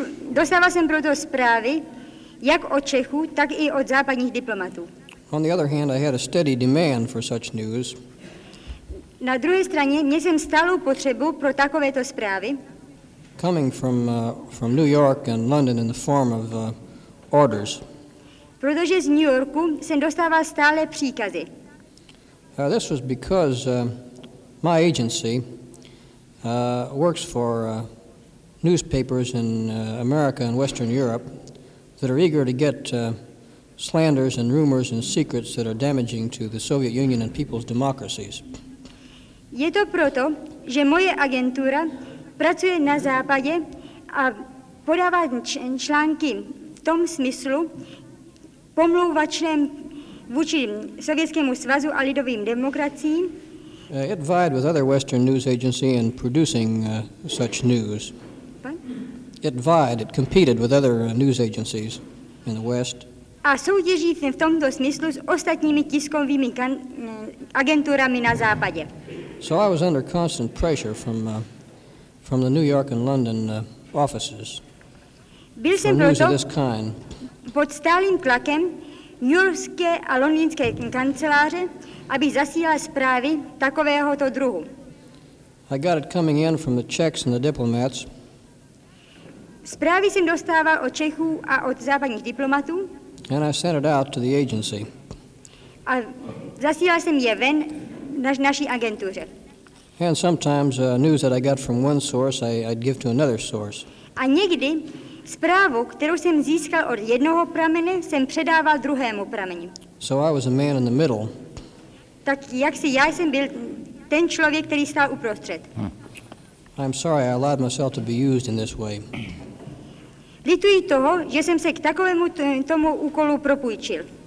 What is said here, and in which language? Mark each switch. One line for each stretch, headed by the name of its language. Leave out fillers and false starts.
Czech: Dostával jsem proto zprávy jak od Čechů, tak i od západních diplomatů.
English: On the other hand, I had a steady demand for such news.
Czech: Na druhé straně měl jsem stálou potřebu pro takovéto zprávy.
English: Coming from New York and London in the form of orders.
Czech: Protože z New Yorku jsem dostával stále příkazy.
English: This was because my agency works for newspapers in America and Western Europe that are eager to get slanders and rumors and secrets that are damaging to the Soviet Union and people's democracies.
Czech: Je to proto, že moje agentura pracuje na západě a podává články v tom smyslu pomlouvačném vůči Sovětskému svazu a lidovým demokraciím.
English: It vied with other Western news agency in producing such news. It competed with other news agencies in the West.
Czech: A soutěží v tomto smyslu s ostatními tiskovými agenturami na západě.
English: So I was under constant pressure from the New York and London offices.
Czech: Byl jsem proto pod stálým tlakem New Yorkské a Londýnské kanceláře, aby zasílal zprávy takovéhoto druhu.
English: I got it coming in from the Czechs and the diplomats.
Czech: Zprávy jsem dostával od Čechů a od západních diplomatů.
English: And I sent it out to the agency.
Czech: A zasílal jsem je ven naší agentuře.
English: And sometimes news that I got from one source, I'd give to another source.
Czech: A někdy zprávu, kterou jsem získal od jednoho pramene, jsem předával druhému prameni.
English: So I was a man in the middle.
Czech: Tak jaksi já jsem byl ten člověk, který stál uprostřed.
English: I'm sorry, I allowed myself to be used in this way.
Czech: Lituji toho, že jsem se k takovému tomu úkolu propůjčil.